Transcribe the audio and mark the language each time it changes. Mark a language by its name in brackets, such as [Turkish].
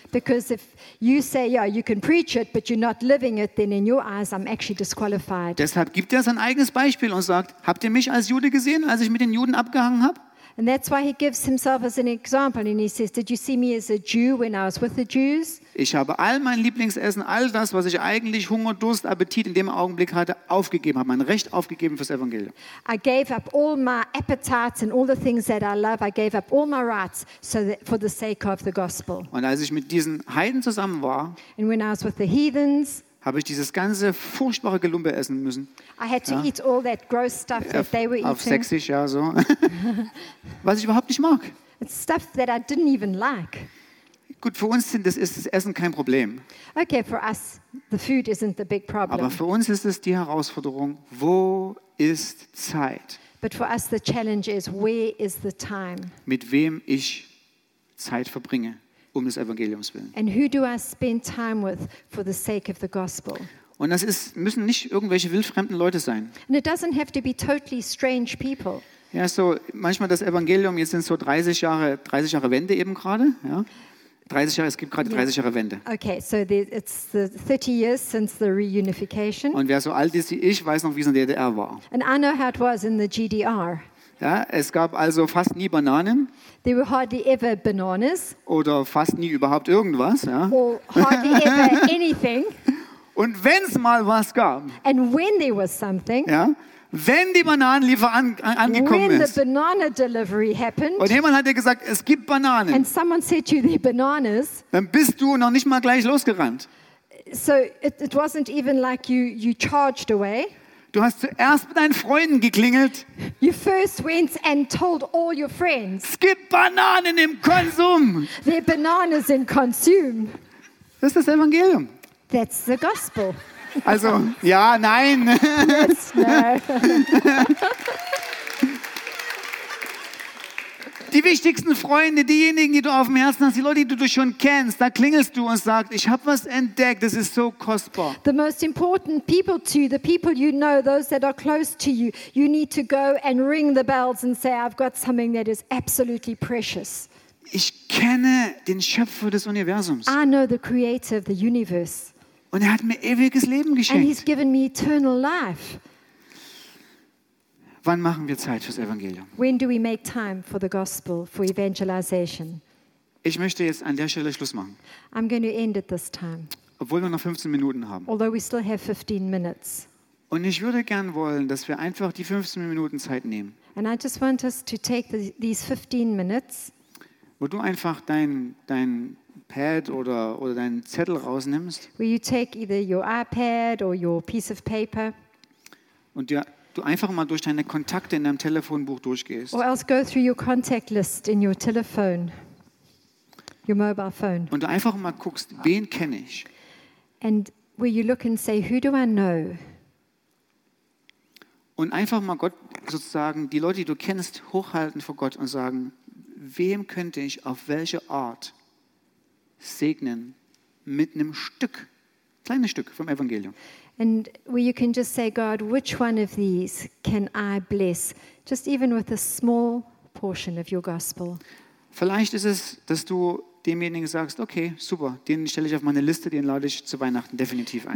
[English] Because if you say, yeah, you can preach it, but you're not living it, then in your eyes I'm actually disqualified. [German] Deshalb gibt er sein eigenes Beispiel und sagt, habt ihr mich als Jude gesehen, als ich mit den Juden abgehangen habe? [English] And that's why he gives himself as an example and he says, did you see me as a Jew when I was with the Jews? [German] Ich habe all mein Lieblingsessen, all das, was ich eigentlich Hunger, Durst, Appetit in dem Augenblick hatte, aufgegeben, habe mein Recht aufgegeben fürs Evangelium. [English] I gave up all my appetites and all the things that I love. I gave up all my rights so that for the sake of the gospel. [German] Und als ich mit diesen Heiden zusammen war, [English] and when I was with the heathens, [German] habe ich dieses ganze furchtbare Gelumpe essen müssen. [English] I had to eat all that gross stuff that they were eating. [German] Auf Sächsisch, ja, so. Was ich überhaupt nicht mag. [English] It's stuff that I didn't even like. [German] Gut, für uns ist das Essen kein Problem. [English] Okay, for us, the food isn't the big problem. [German] Aber für uns ist es die Herausforderung, wo ist Zeit? [English] But for us the challenge is, where is the time? [German] Mit wem ich Zeit verbringe. Um des Evangeliums willen. [English] And who do I spend time with for the sake of the gospel? [German] Und das ist, müssen nicht irgendwelche wildfremden Leute sein. [English] And it doesn't have to be totally strange people. [German] Ja, so manchmal das Evangelium, jetzt sind so 30 Jahre Wende eben gerade, ja. 30 Jahre, es gibt gerade 30 Jahre Wende. [English] Okay, so it's the 30 years since the reunification. [German] Und wer so alt ist wie ich, weiß noch, wie es in der DDR war. [English] And I know how it was in the GDR. [German] Ja, es gab also fast nie Bananen. [English] There were hardly ever bananas. [German] Oder fast nie überhaupt irgendwas. Ja. [English] Or hardly ever anything. [German] Und wenn es mal was gab. [English] And when there was something. [German] Ja, wenn die Bananenlieferung angekommen [English] when [German] ist. [English] The banana delivery happened, [German] und jemand hat dir gesagt, es gibt Bananen. [English] And someone said to you, there are bananas. [German] Dann bist du noch nicht mal gleich losgerannt. [English] So it wasn't even like you charged away. [German] Du hast zuerst mit deinen Freunden geklingelt. [English] You first went and told all your friends. [German] Es gibt Bananen im Konsum. [English] There are bananas in consume. [German] Das ist das Evangelium. [English] That's the gospel. [German] Also, ja, nein. [English] Yes, no. [German] Die wichtigsten Freunde, diejenigen, die du auf dem Herzen hast, die Leute, die du schon kennst, da klingelst du und sagst, ich habe was entdeckt, das ist so kostbar. [English] The most important people to you, the people you know, those that are close to you, you need to go and ring the bells and say, I've got something that is absolutely precious. [German] Ich kenne den Schöpfer des Universums. [English] I know the creator of the universe. [German] Und er hat mir ewiges Leben geschenkt. [English] And he's given me eternal life. [German] Wann machen wir Zeit fürs Evangelium? [English] When do we make time for the gospel, for evangelization? [German] Ich möchte jetzt an der Stelle Schluss machen. [English] I'm going to end it this time. [German] obwohl wir noch 15 Minuten haben. [English] Although we still have 15 minutes. [German] Und ich würde gern wollen, dass wir einfach die 15 Minuten Zeit nehmen. [English] And I just want us to take these 15 minutes. [German] Wo du einfach dein Pad oder deinen Zettel rausnimmst. [English] Where you take either your iPad or your piece of paper. [German] Und du einfach mal durch deine Kontakte in deinem Telefonbuch durchgehst. [English] Or else go through your contact list in your telephone, your mobile phone. [German] Und du einfach mal guckst, wen kenne ich? [English] And where you look and say, who do I know? [German] Und einfach mal Gott sozusagen die Leute, die du kennst, hochhalten vor Gott und sagen, wem könnte ich auf welche Art segnen mit einem Stück, kleines Stück vom Evangelium? [English] And where you can just say, God, which one of these can I bless, just even with a small portion of your gospel? [German] Vielleicht ist es, dass du demjenigen sagst, okay, super, den stelle ich auf meine Liste, den lade ich zu Weihnachten definitiv ein.